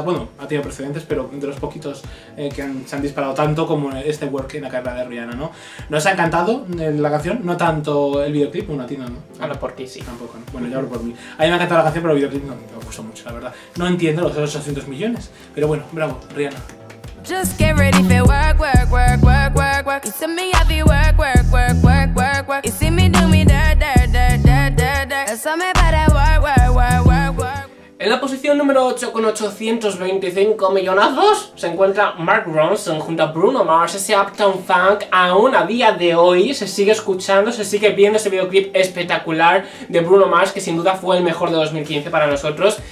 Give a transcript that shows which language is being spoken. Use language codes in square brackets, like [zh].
[es] Bueno, ha tenido precedentes, pero de los poquitos que se han disparado tanto como este Work en la carrera de Rihanna, ¿no? Nos ha encantado la canción, no tanto el videoclip, bueno, a ti no, ¿no? Hablo por ti, sí. Tampoco, ¿no? Bueno, ya hablo por mí. A mí me ha encantado la canción, pero el videoclip no me gustó mucho, la verdad. No entiendo los 800 millones, pero bueno, bravo, Rihanna. [en] Just get ready for work, work, work, work, work, work. You tell me I be work, work, work, work, work, work. You see me do me da da da da da da. That's all me about that work, work, work, work, work. [es] En la posición número 8 con 825 millonazos se encuentra Mark Ronson junto a Bruno Mars. Ese Uptown Funk aún a día de hoy se sigue escuchando, se sigue viendo ese videoclip espectacular de Bruno Mars, que sin duda fue el mejor de 2015 para nosotros.